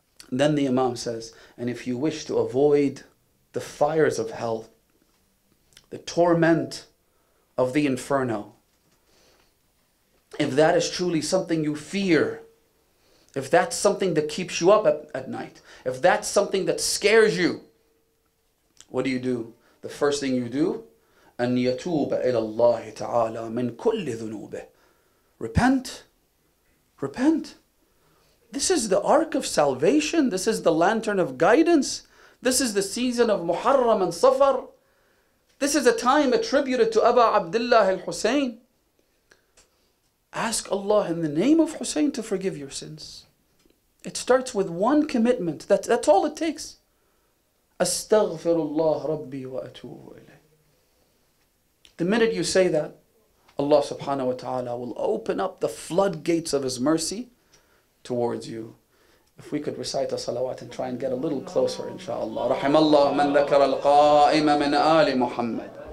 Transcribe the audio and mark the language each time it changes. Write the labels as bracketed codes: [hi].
[en] And then the Imam says, and if you wish to avoid the fires of hell, the torment of the inferno, if that is truly something you fear, if that's something that keeps you up at night, if that's something that scares you, what do? The first thing you do, [ar] أن يتوب إلى الله تعالى من كل ذنوبه. [en] Repent. This is the ark of salvation. This is the lantern of guidance. This is the season of Muharram and Safar. This is a time attributed to Aba Abdullah al-Husayn. Ask Allah in the name of Husayn to forgive your sins. It starts with one commitment. That's all it takes. [ar] Astaghfirullah Rabbi wa atubu ilayh. [en] The minute you say that, Allah subhanahu wa ta'ala will open up the floodgates of His mercy towards you. If we could recite a salawat and try and get a little closer, inshallah. [ar] رحم الله من ذكر القائم من آل محمد.